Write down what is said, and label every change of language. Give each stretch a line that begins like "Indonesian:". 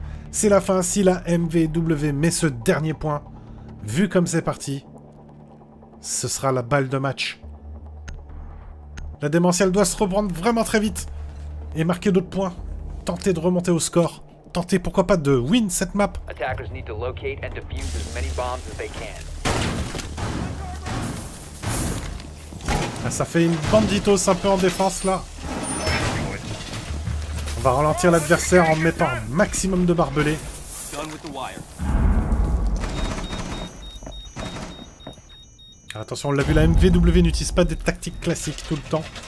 French: C'est la fin si la MVW met ce dernier point. Vu comme c'est parti, ce sera la balle de match. La démentielle doit se reprendre vraiment très vite. Et marquer d'autres points. Tenter de remonter au score. Tenter pourquoi pas de win cette map.
English: Attackers need to locate and defuse as many bombs as they can.
French: Ah, ça fait une banditos un peu en défense là. On va ralentir l'adversaire en mettant un maximum de barbelés. Attention, on l'a vu, la MVW n'utilise pas des tactiques classiques tout le temps.